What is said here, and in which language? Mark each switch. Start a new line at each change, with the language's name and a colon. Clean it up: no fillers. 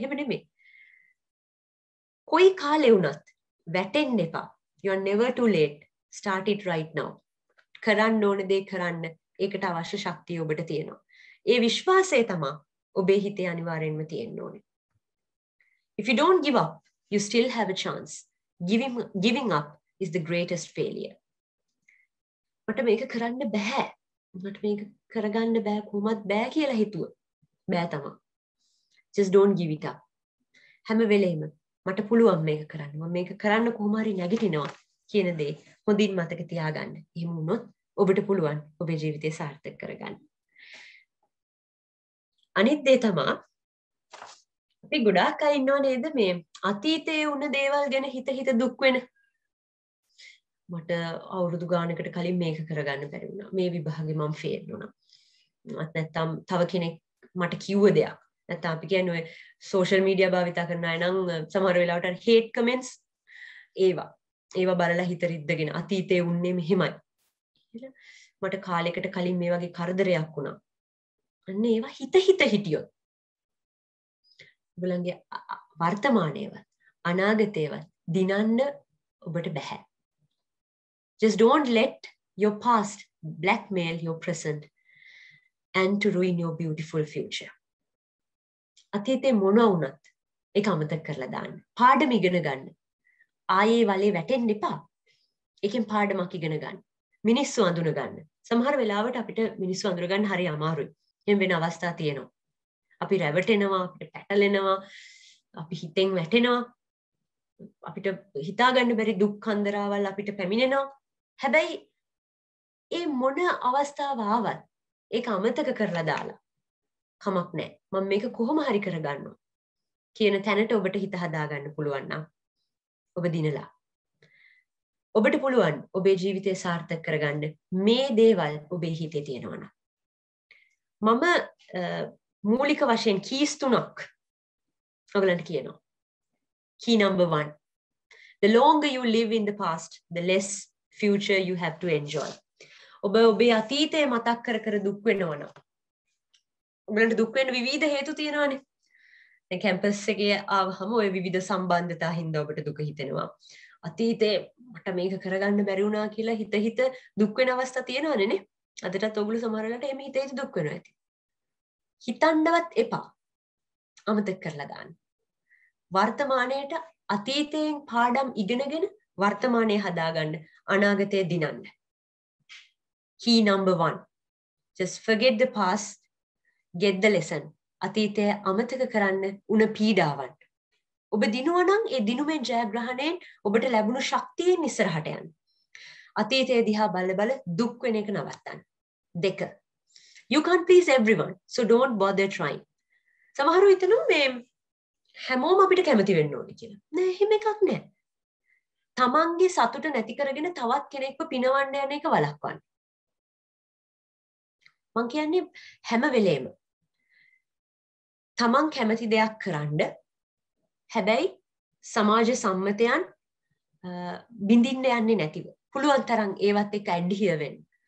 Sinhala: එහෙම නෙමෙයි. කොයි කාලේ වුණත් වැටෙන්න එපා.
English: You are never too late. Start it right now.
Sinhala: කරන්න ඕන දේ කරන්න. ඒකට අවශ්‍ය ශක්තිය ඔබට තියෙනවා. ඒ විශ්වාසය තමයි ඔබේ හිතේ අනිවාර්යෙන්ම තියෙන්න ඕනේ.
English: If you don't give up, you still have a chance. Giving up is the greatest failure.
Sinhala: මට මේක කරන්න බෑ. මට මේක කරගන්න බෑ කොහොමත් බෑ කියලා හිතුව. බෑ තමයි.
English: Just don't give it up.
Sinhala: හැම වෙලේම මට පුළුවන් මේක කරන්න. මම මේක කරන්න කොහොම හරි නැගිටිනවා කියන දේ හොඳින් මතක තියාගන්න. එහෙම වුණොත් ඔබට පුළුවන් ඔබේ ජීවිතය සාර්ථක කරගන්න. අනිත් දේ තමයි අපි ගොඩාක් අය ඉන්නව නේද මේ අතීතයේ වුණ දේවල් ගැන හිත හිත දුක් වෙන. මට අවුරුදු ගානකට කලින් මේක කරගන්න බැරි වුණා. මේ විභාගෙ මම ෆේල් වුණා. මත් නැත්තම් තව කෙනෙක් මට කිව්ව දෙයක්. නැත්තම් අපි කියන්නේ ඔය සෝෂල් මීඩියා භාවිතා කරන අය නම් සමහර වෙලාවට හේට් කමෙන්ට්ස් ඒවා. ඒවා බලලා හිත රිද්දගෙන අතීතයේ වුණේ මෙහෙමයි. මට කාලයකට කලින් මේ වගේ කරදරයක් වුණා. අන්න ඒවා හිත හිත හිටියොත් ඔබලගේ වර්තමානයේවත් අනාගතයේවත් දිනන්න ඔබට බෑ.
English: Just don't let your past blackmail your present and to ruin your beautiful future.
Sinhala: අතීතේ මොන වුණත් ඒක අමතක කරලා දාන්න. පාඩම ඉගෙන ගන්න. ආයේ වලේ වැටෙන්න එපා. ඒකෙන් පාඩමක් ඉගෙන ගන්න. මිනිස්සු අඳුන ගන්න. සමහර වෙලාවට අපිට මිනිස්සු අඳුර ගන්න හරි අමාරුයි. එම් වෙන අවස්ථා තියෙනවා. අපි රැවටෙනවා, අපිට පැටලෙනවා, අපි හිතෙන් වැටෙනවා. අපිට හිතාගන්න බැරි දුක් කන්දරාවල් අපිට පැමිණෙනවා. හැබැයි ඒ මොන අවස්ථාව ආවත් ඒක අමතක කරලා දාලා කමක් නැහැ. මම මේක කොහොම හරි කරගන්නවා කියන තැනට ඔබට හිත හදාගන්න පුළුවන් නම් ඔබ දිනලා. ඔබට පුළුවන් ඔබේ ජීවිතය සාර්ථක කරගන්න මේ දේවල් ඔබේ හිතේ තියෙනවා නම්. මම මූලික වශයෙන් keys තුනක් ඔයගලන්ට කියනවා.
English: Key number 1. The longer you live in the past, the less future you have to enjoy.
Sinhala: ඔබ ඔබේ අතීතය මතක් කර කර දුක් වෙනවනම් ඔයගලන්ට දුක් වෙන්න විවිධ හේතු තියෙනවානේ. දැන් කැම්පස් එකේ ආවහම ඔය විවිධ සම්බන්ධතා හින්දා ඔබට දුක හිතෙනවා. අතීතේ මට මේක කරගන්න බැරි වුණා කියලා හිත හිත දුක් වෙන අවස්ථා තියෙනවනේ නේ. අදටත් ඔගොල්ලෝ සමහරවිට එහෙම හිතේ දුක් වෙනවා ඇති. හිතන්නවත් එපා. අමතක කරලා දාන්න. වර්තමානයේට අතීතයෙන් පාඩම් ඉගෙනගෙන වර්තමානයේ හදාගන්න අනාගතය දිනන්න.
English: Key number 1. Just forget the past. Get the lesson.
Sinhala: අතීතය අමතක කරන්න උන පීඩාවන්. ඔබ දිනුවා නම් ඒ දිනුමෙන් ජයග්‍රහණයෙන් ඔබට ලැබුණු ශක්තියෙන් ඉස්සරහට යන්න. අතීතයේ දිහා බල බල දුක් වෙන එක නවත්තන්න. දෙක.
English: You can't please everyone, so don't bother trying.
Sinhala: සමහරු හිතනවා මේ හැමෝම අපිට කැමති වෙන්න ඕනේ කියලා. නෑ එහෙම එකක් නෑ. තමන්ගේ සතුට නැති කරගෙන තවත් කෙනෙක්ව පිනවන්න යන එක වළක්වන්න. මං කියන්නේ හැම වෙලේම තමන් කැමති දෙයක් කරන්න හැබැයි සමාජ සම්මතයන් බිඳින්න යන්නේ නැතිව පුළුවන් තරම් ඒවත් එක්ක ඇඩ්හිය වෙන්න.